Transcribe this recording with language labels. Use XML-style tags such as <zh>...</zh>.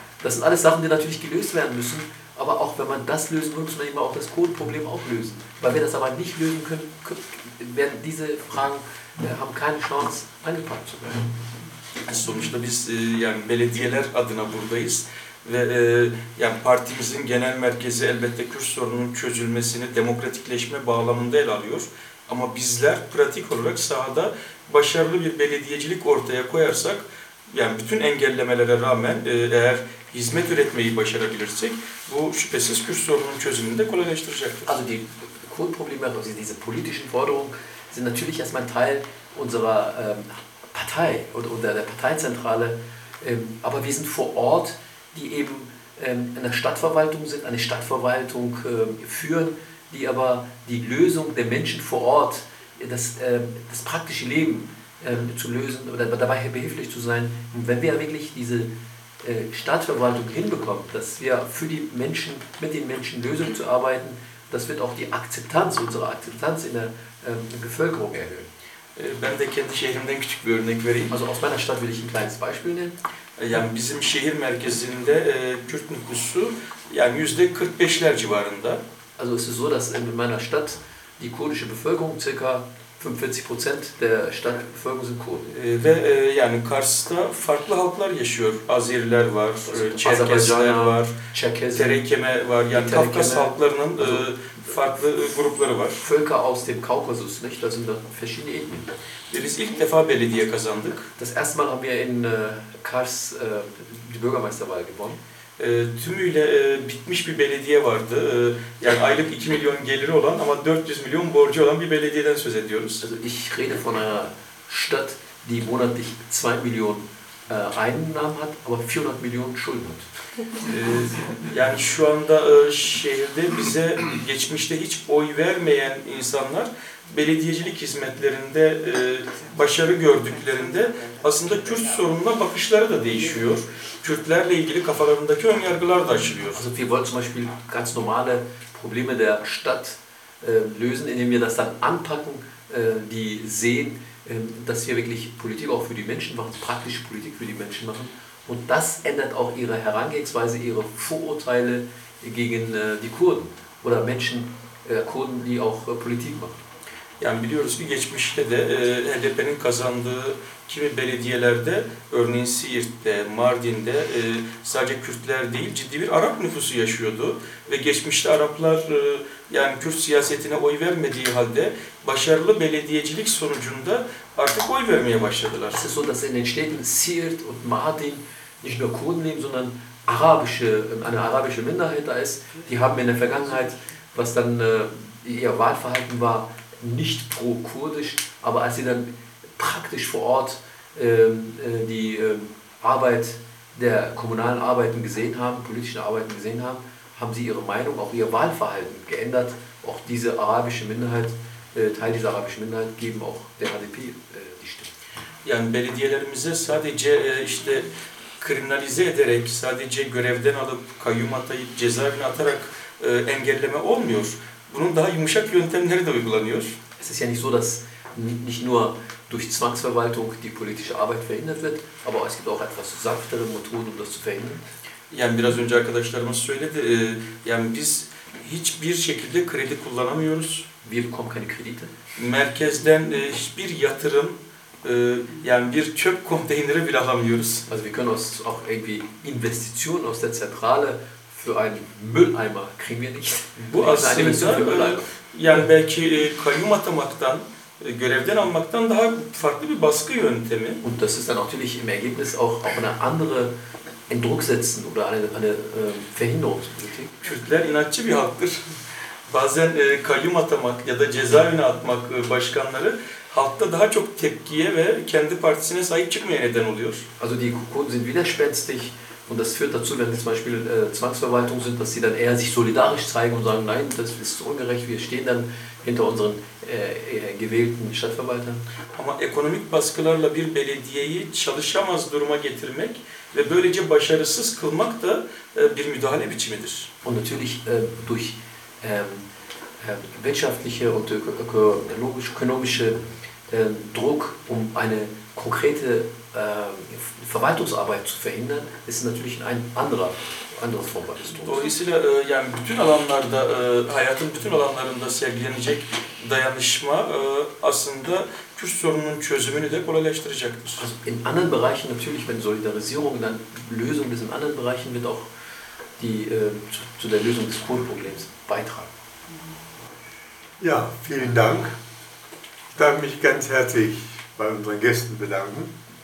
<de>Das sind alles Sachen, die natürlich gelöst werden müssen. Aber auch wenn man das lösen will, muss man eben auch das Kohleproblem auch lösen. Weil wir das aber nicht lösen können, werden diese Fragen haben keine Chance angepackt zu werden.</de> <tr>Sonuçta biz yani belediyeler adına buradayız ve yani partimizin genel merkezi elbette Kürt sorununun çözülmesini demokratikleşme bağlamında ele alıyor. Ama bizler pratik olarak sahada başarılı bir belediyecilik ortaya koyarsak, yani bütün engellemelere rağmen eğer hizmet üretmeyi başarabilirsek, bu şüphesiz Kürt sorununun çözümünü de kolaylaştıracaktır.</tr> <de>Also die Kurdenprobleme, also diese politischen Forderungen sind natürlich erstmal Teil unserer Partei oder der Parteizentrale, aber wir sind vor Ort, die eben in der Stadtverwaltung sind, eine Stadtverwaltung führen, die aber die Lösung der Menschen vor Ort, das praktische Leben zu lösen oder dabei behilflich zu sein. Und wenn wir wirklich diese Stadtverwaltung hinbekommen, dass wir für die Menschen, mit den Menschen Lösungen zu arbeiten, das wird auch die Akzeptanz, unsere Akzeptanz in der Bevölkerung erhöhen.</de> <tr>Ben de kendi şehrimden küçük bir örnek vereyim.</tr> <de>Also aus meiner Stadt will ich ein kleines Beispiel nennen.</de> <tr>Yani bizim şehir merkezinde Kürt nüfusu yani %45'ler civarında.</tr> <de>Also es ist so, dass in meiner Stadt die kurdische Bevölkerung ca. 45% der Stadtbevölkerung sind Kurden.</de> <tr>Ve yani Kars'ta farklı halklar yaşıyor. Azeriler var, Çerkezler var, Terekeme var. Yani Kafkas halklarının farklı grupları var.</tr> <de>Völker aus dem Kaukasus, nicht? Da sind da verschiedene Ethnien.</de> <tr>Biz ilk defa belediye kazandık.</tr> <de>Das erste Mal haben wir in Kars die Bürgermeisterwahl gewonnen.</de> <tr>Tümüyle bitmiş bir belediye vardı. Yani aylık 2 milyon geliri olan ama 400 milyon borcu olan bir belediyeden söz ediyoruz.</tr> <de>Also ich rede von einer Stadt, die monatlich 2 Millionen Einnahmen hat, aber 400 Millionen Schulden hat.</de> <tr>Yani şu anda şehirde bize geçmişte hiç oy vermeyen insanlar belediyecilik hizmetlerinde başarı gördüklerinde aslında Kürt sorununa bakışları da değişiyor. Kürtlerle ilgili kafalarındaki ön yargılar da aşılıyor.</tr> <de>Also wir wollen zum Beispiel ganz normale Probleme der Stadt lösen, indem wir das dann anpacken, die sehen, dass wir wirklich Politik auch für die Menschen machen, praktische Politik für die Menschen machen. Und das ändert auch ihre Herangehensweise, ihre Vorurteile gegen die Kurden oder Menschen, Kurden, die auch Politik machen.</de> <tr>Yani biliyoruz ki geçmişte de HDP'nin kazandığı kimi belediyelerde, örneğin Siirt'te, Mardin'de sadece Kürtler değil ciddi bir Arap nüfusu yaşıyordu. Ve geçmişte Araplar yani Kürt siyasetine oy vermediği halde başarılı belediyecilik sonucunda artık oy vermeye başladılar.</tr> <de>Es ist so, dass in den Städten Siirt und Mardin nicht nur Kurden leben, sondern arabische, eine arabische Minderheit da ist. Die haben in der Vergangenheit, was dann ihr Wahlverhalten war, nicht pro-kurdisch, aber als sie dann praktisch vor Ort die Arbeit der kommunalen Arbeiten gesehen haben, politischen Arbeiten gesehen haben, haben sie ihre Meinung, auch ihr Wahlverhalten geändert. Auch diese arabische Minderheit, Teil dieser arabischen Minderheit, geben auch der HDP die Stimme.</de> <tr>Yani belediyelerimize sadece işte kriminalize ederek, sadece görevden alıp, kayyum atayıp, cezaevine atarak engelleme olmuyor. Bunun daha yumuşak yöntemleri de uygulanıyor.</tr> <de>Es ist ja nicht so, dass nicht nur durch Zwangsverwaltung die politische Arbeit verhindert wird, aber es gibt auch etwas sanftere Methoden, um das zu verhindern.</de> <tr>Yani biraz önce arkadaşlarımız söyledi, yani biz hiçbir şekilde kredi kullanamıyoruz.</tr> <de>Wir bekommen keine Kredite.</de> <tr>Merkezden hiçbir yatırım, yani bir çöp konteyneri bile alamıyoruz.</tr> <de>Also wir können auch irgendwie Investitionen aus der Zentrale für einen Mülleimer kriegen wir nicht.</de> <tr>Bu aslında yani belki kayyum atamaktan, görevden almaktan daha farklı bir baskı yöntemi.</tr> <de>Und das ist dann natürlich im Ergebnis auch auf eine andere in Druck setzen oder eine Verhinderungspolitik.</de> <tr>Kürtler inatçı bir halktır. Bazen kayyum atamak ya da cezaevine atmak başkanları halkta daha çok tepkiye ve kendi partisine sahip çıkmaya neden oluyor.</tr> <de>Also die Kurden sind widerspenstig. Und das führt dazu, wenn sie zum Beispiel Zwangsverwaltung sind, dass sie dann eher sich solidarisch zeigen und sagen, nein, das ist ungerecht, wir stehen dann hinter unseren gewählten Stadtverwaltern.</de> <tr>Ama ekonomik baskılarla bir belediyeyi çalışamaz duruma getirmek ve böylece başarısız kılmak da bir müdahale biçimidir.</tr> <de>Und natürlich durch wirtschaftliche und ökonomische Druck, um eine konkrete Verwaltungsarbeit zu verhindern, ist natürlich ein anderer Form des Druckes.</de> <tr>Dolayısıyla yani bütün alanlarda hayatın bütün alanlarında sergilenecek dayanışma aslında Kürt sorununun çözümünü de kolaylaştıracaktır.</tr> <de>Also in anderen Bereichen natürlich, wenn Solidarisierung dann Lösung ist, in anderen Bereichen wird auch die zu der Lösung des Kurdenproblems beitragen. Ja, vielen Dank. Ich darf mich ganz herzlich bei unseren Gästen bedanken.</de>